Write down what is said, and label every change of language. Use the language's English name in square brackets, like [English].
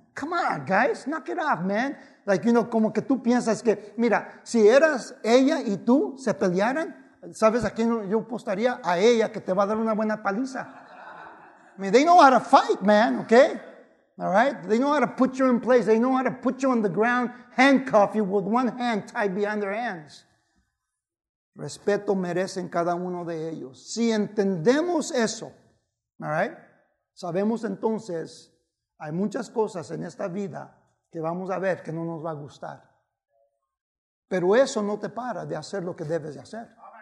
[English] Come on, guys, knock it off, man. Like, you know, [Spanish] como que tú piensas que, mira, si eras ella y tú se pelearan, ¿sabes a quién yo apostaría? A ella, que te va a dar una buena paliza. [English] I mean, they know how to fight, man, okay? All right? They know how to put you in place. They know how to put you on the ground, handcuff you with one hand tied behind their hands. [Spanish] Respeto merecen cada uno de ellos. Si entendemos eso, [English] all right, [Spanish] sabemos entonces, hay muchas cosas en esta vida que vamos a ver que no nos va a gustar. Pero eso no te para de hacer lo que debes de hacer.